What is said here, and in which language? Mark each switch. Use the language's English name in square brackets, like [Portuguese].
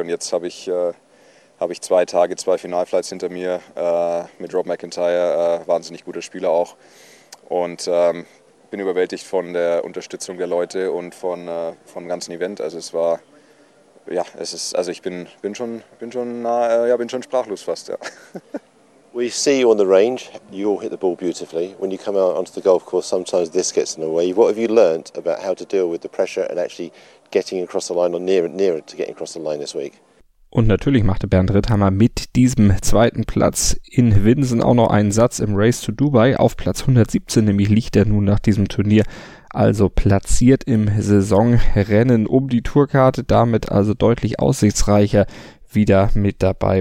[German] Und jetzt habe ich 2 Tage, 2 Finalflights hinter mir mit Rob McIntyre, wahnsinnig guter Spieler auch. Und bin überwältigt von der Unterstützung der Leute und vom ganzen Event. Also es war, ja, es ist, also ich bin schon sprachlos fast, ja. [English] We see you on the range, you all hit the ball beautifully. When you come out onto the golf course, sometimes this gets in the way. What have you learned about how to deal with the pressure and actually getting across the line or nearer to getting across the line this week? [German] Und natürlich machte Bernd Ritthammer mit diesem zweiten Platz in Winsen auch noch einen Satz im Race to Dubai. Auf Platz 117 nämlich liegt er nun nach diesem Turnier, also platziert im Saisonrennen um die Tourkarte, damit also deutlich aussichtsreicher wieder mit dabei.